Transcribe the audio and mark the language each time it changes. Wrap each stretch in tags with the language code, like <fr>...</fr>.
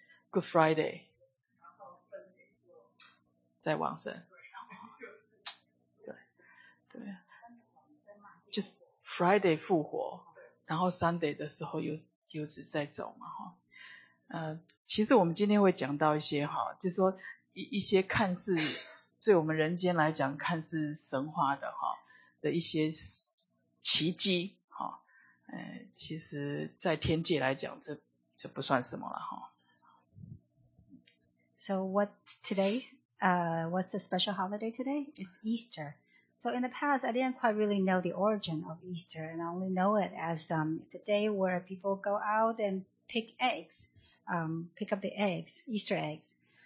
<zh>Good Friday， 在往生。对对，就是 Friday 复活，然后 Sunday 的时候又是再走嘛哈。其实我们今天会讲到一些哈，就是说。一些看似对我们人间来讲看似神话的哈的一些奇迹哈，其实在天界来讲这不算什么了哈。</zh> <en>So what today? What's the special holiday today? It's Easter. So in the past, I didn't quite really know the origin of Easter, and I only know it as it's a day where people go out and pick eggs, pick up the eggs, Easter eggs.</en>